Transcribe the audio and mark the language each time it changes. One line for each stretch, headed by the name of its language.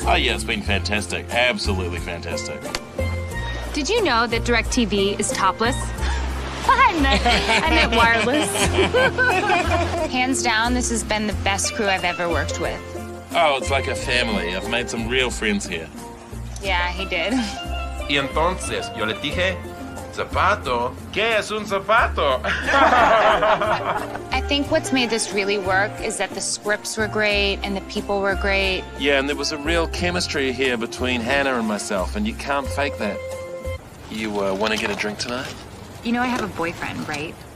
English: Oh, yeah, it's been fantastic. Absolutely fantastic. Did you know that DirecTV is topless? I meant wireless. Hands down, this has been the best crew I've ever worked with. Oh, it's like a family. I've made some real friends here. Yeah, he did.
Spanish: Y entonces, yo le dije, zapato, ¿qué es un zapato?
English: I think what's made this really work is that the scripts were great and the people were great. Yeah, and there was a real chemistry here between Hannah and myself, and you can't fake that. You want to get a drink tonight? You know I have a boyfriend, right?